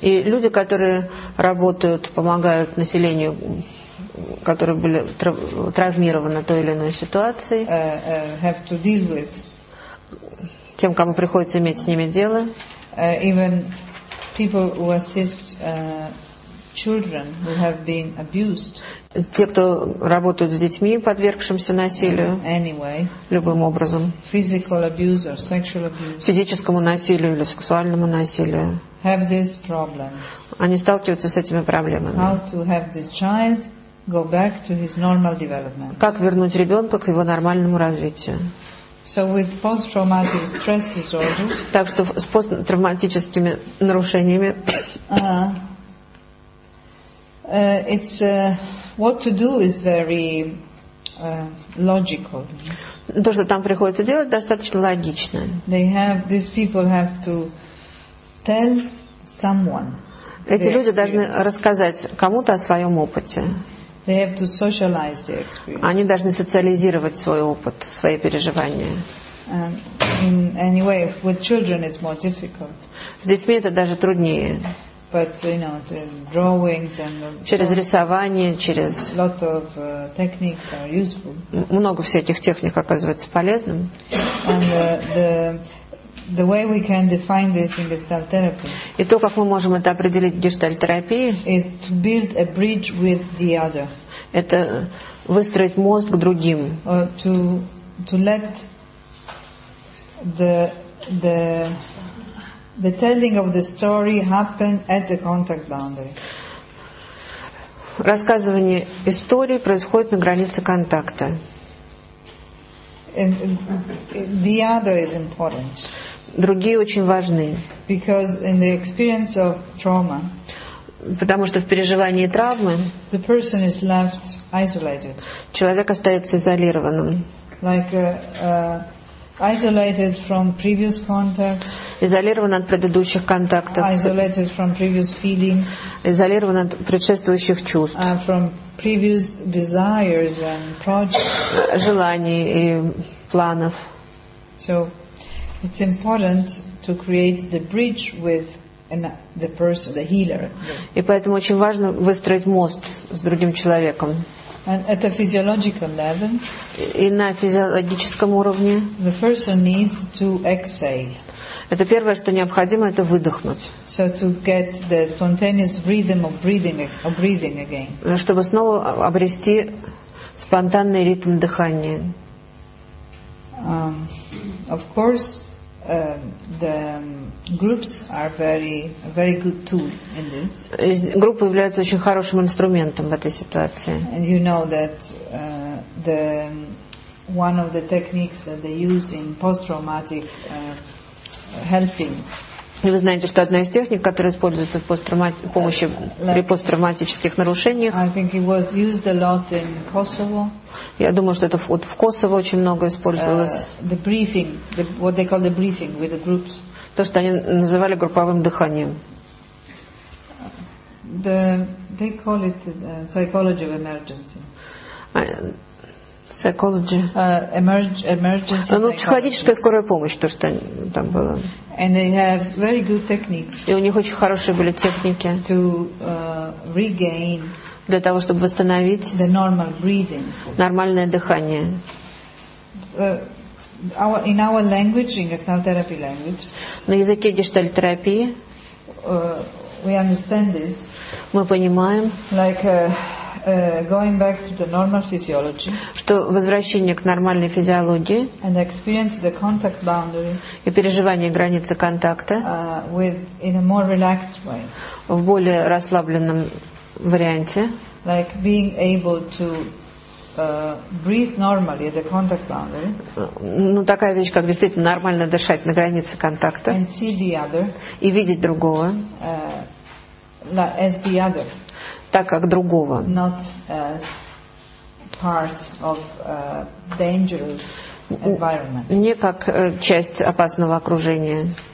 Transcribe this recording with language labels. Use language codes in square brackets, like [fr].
[ru] И люди, которые работают, помогают населению, которые были травмированы той или иной ситуацией, [en] have to deal with, [ru] тем, кому приходится иметь с ними дело, [en] even people who assist children who have been abused, [ru] те, кто работают с детьми, подвергшимся насилию, [en] anyway, [ru] любым образом, [en] physical abuse or sexual abuse, [ru] физическому насилию или сексуальному насилию, [en] have this problem. [ru] Они сталкиваются с этими проблемами. [en] How to have this child go back to his normal development. [ru] Как вернуть ребенка к его нормальному развитию? [en] So with post-traumatic stress disorders. [ru] Так что с посттравматическими нарушениями. [en] It's what to do is very logical. [ru] То, что там приходится делать, достаточно логично. [en] They have these people have to tell someone. [ru] Эти люди должны рассказать кому-то о своем опыте. [en] They have to socialize their experience. [ru] Они должны социализировать свой опыт, свои переживания. [en] In any way, with children it's more difficult. [ru] С детьми это даже труднее. [en] But you know, the drawings and [ru] через рисование, через [en] lot of techniques are useful. [ru] Много всяких техник оказывается полезным. [en] And the way we can define this in gestalt therapy. [ru] И то, как мы можем это определить в гештальт-терапии, [en] is to build a bridge with the other. [ru] Это выстроить мост к другим. [en] To let the telling of the story happen at the contact boundary. [ru] Рассказывание истории происходит на границе контакта. [en] And the other is important. [ru] Другие очень важны. [en] Because in the experience of trauma, [ru] потому что в переживании травмы [en] the person is left isolated. [ru] Человек остается изолированным. [en] Like isolated from previous contacts, [ru] изолирован от предыдущих контактов, [en] isolated from previous feelings, [ru] изолирован от предшествующих чувств, [en] from previous desires and projects, [ru] желаний и планов. [en] So it's important to create the bridge with the person, the healer. [ru] И поэтому очень важно выстроить мост с другим человеком. [en] And at a physiological level, [ru] и на физиологическом уровне, [en] the person needs to exhale. [ru] Это первое, что необходимо, это выдохнуть. [en] So to get the spontaneous rhythm of breathing, again. [ru] Чтобы снова обрести спонтанный ритм дыхания. [en] Of course, the groups are very, very good tool in this. [ru] Группы являются очень хорошим инструментом в этой ситуации. [en] And you know that the one of the techniques that they use in post-traumatic helping. [ru] И вы знаете, что одна из техник, которая используется в помощи при посттравматических нарушениях, [en] I think it was used a lot in Kosovo. [ru] Я думаю, что это в Косово очень много использовалось. [en] The briefing, what they call the briefing with the groups. [ru] То, что они называли групповым дыханием. [en] They call it psychology of emergency. Psychology. Emergency. [ru] Ну, психологическая скорая помощь, то, что там было. [en] And they have very good techniques. [ru] И у них очень хорошие были техники. [en] To regain. [ru] Для того, чтобы восстановить. [en] The normal breathing. [ru] Нормальное дыхание. [en] In our language, in gestalt therapy language. [ru] На языке гештальт-терапии. [en] We understand this. [ru] Мы понимаем. [en] Like going back to the normal physiology, [ru] что возвращение к нормальной физиологии [en] and experience the contact boundary, [ru] и переживание границы контакта [en] with, in a more relaxed way, [ru] в более расслабленном варианте, [en] like being able to breathe normally at the contact boundary. [ru] Ну, такая вещь, как действительно нормально дышать на границе контакта. [en] And see the other. [ru] И видеть другого. [en] As the other. [ru] Так как другого. [en] Not as part of dangerous environment. [ru] Не как часть опасного окружения.